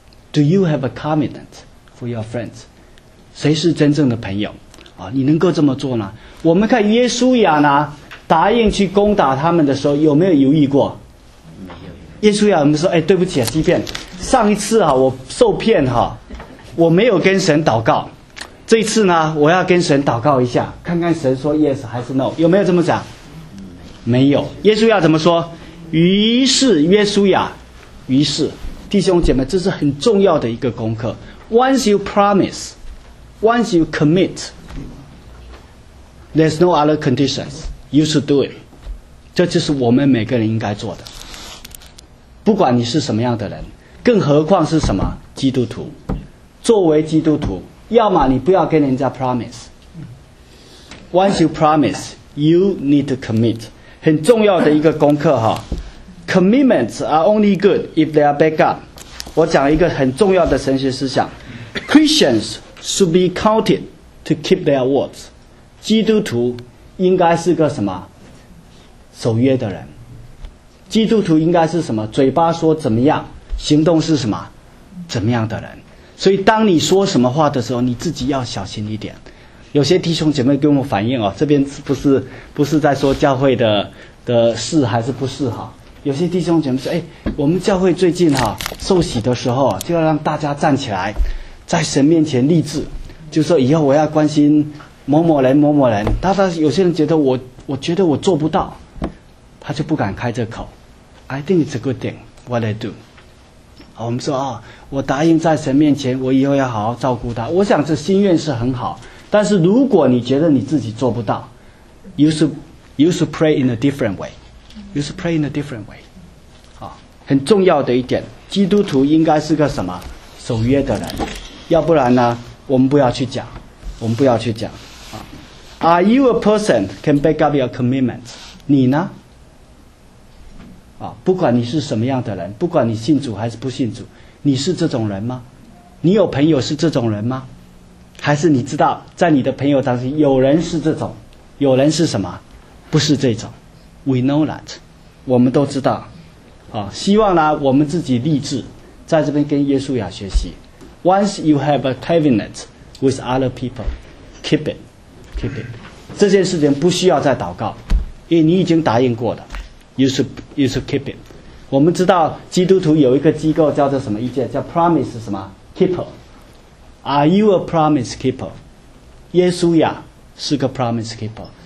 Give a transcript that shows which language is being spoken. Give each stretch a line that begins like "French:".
English: Do you have a commitment for your friends?
Chinese: 谁是真正的朋友啊，你能够这么做呢？我们看耶稣亚呢，答应去攻打他们的时候，有没有犹豫过？没有。耶稣亚，我们说，哎，对不起啊，畸变，上一次啊，我受骗哈、啊，我没有跟神祷告，这一次呢，我要跟神祷告一下，看看神说 yes 还是 no， 有没有这么讲？没有。耶稣亚怎么说？于是，弟兄姐妹，这是很重要的一个功课。
English: Once you promise, once you commit。 There's no other conditions. You should do it.
Chinese: 这就是我们每个人应该做的。不管你是什么样的人，更何况是什么基督徒。作为基督徒，要么你不要跟人家 promise.
English: Once you promise, you need to commit.
Chinese: 很重要的一个功课哈。
English: Commitments are only good if they are backed up.
Chinese: 我讲一个很重要的神学思想。
English: Christians should be counted to keep their words.
Chinese: 基督徒应该是个什么守约的人，基督徒应该是什么嘴巴说怎么样，行动是什么怎么样的人。所以当你说什么话的时候，你自己要小心一点。有些弟兄姐妹跟我反映哦，这边不是在说教会的事还是不是哈、哦、有些弟兄姐妹说，哎，我们教会最近哈、哦、受洗的时候就要让大家站起来在神面前立志，就说以后我要关心某某人某某人，但是有些人觉得我觉得我做不到，他就不敢开这口。
English: I think it's a good thing what they do。
Chinese: 好，我们说啊、哦，我答应在神面前我以后要好好照顾他，我想这心愿是很好，但是如果你觉得你自己做不到，
English: you should pray in a different way，
Chinese: you should pray in a different way、哦、很重要的一点，基督徒应该是个什么守约的人。要不然呢，我们不要去讲，我们不要去讲。
English: Are you a person can back up your commitment?
Chinese: 你呢？不管你是什么样的人，不管你信主还是不信主，你是这种人吗？你有朋友是这种人吗？还是你知道在你的朋友当中有人是这种，有人是什么？不是这种。
English: We know that，
Chinese: 我们都知道。希望呢，我们自己立志，在这边跟耶稣亚学习。
English: Once you have a covenant with other people, keep it, keep it。
Chinese: 这件事情不需要再祷告，因为你已经答应过的。
English: You should keep it。
Chinese: 我们知道基督徒有一个机构叫做什么意见，叫 promise 什么 keeper。
English: Are you a promise keeper?
Chinese: 耶稣亚是个
English: promise keeper。